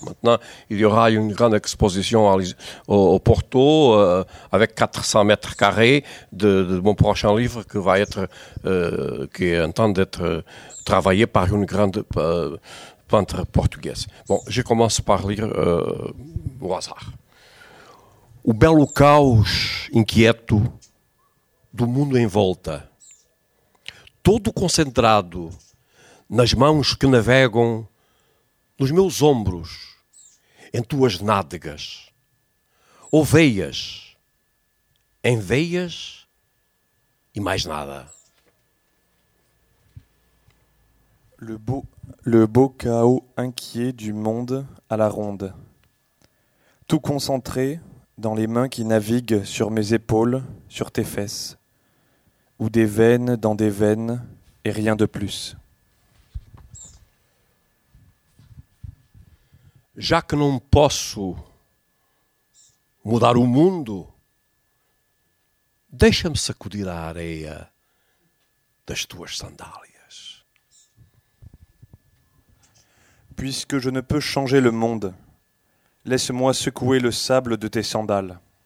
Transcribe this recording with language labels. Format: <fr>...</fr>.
<fr>Maintenant, il y aura une grande exposition au Porto avec 400 mètres carrés de mon prochain livre qui va être, qui est en train d'être travaillé par une grande peintre portugaise. Bon, je commence par lire au hasard.</fr> <pt>O belo caos inquieto do mundo em volta, todo concentrado nas mãos que navegam nos meus ombros, em tuas nádegas, ou veias, em veias e mais nada.</pt> <fr>Le beau chaos inquiet du monde à la ronde. Tout concentré dans les mains qui naviguent sur mes épaules, sur tes fesses. Ou des veines dans des veines et rien de plus.</fr> <pt>Já que não posso mudar o mundo, deixa-me sacudir a areia das tuas sandálias.</pt> <fr>Puisque je ne peux changer le monde, laisse-moi secouer le sable de tes sandales.</fr>